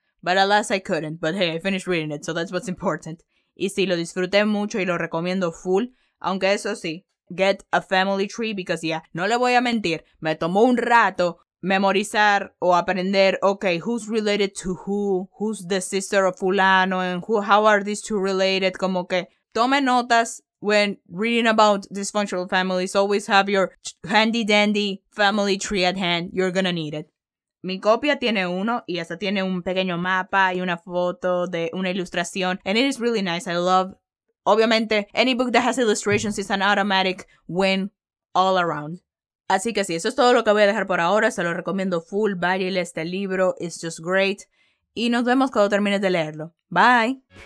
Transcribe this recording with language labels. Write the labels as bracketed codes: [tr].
[en] But alas, I couldn't, but hey, I finished reading it, so that's what's important. [es] Y sí, lo disfruté mucho y lo recomiendo full. Aunque eso sí, [en] get a family tree because yeah, [es] no le voy a mentir. Me tomó un rato memorizar o aprender, [en] okay, who's related to who? Who's the sister of fulano? And who? How are these two related? [es] Como que tome notas [en] when reading about dysfunctional families. Always have your handy dandy family tree at hand. You're gonna need it. [es] Mi copia tiene uno y hasta tiene un pequeño mapa y una foto de una ilustración. [en] And it is really nice. I love, obviamente, any book that has illustrations is an automatic win all around. [es] Así que sí, eso es todo lo que voy a dejar por ahora. Se lo recomiendo full. Váyale este libro. [en] It's just great. [es] Y nos vemos cuando termines de leerlo. Bye.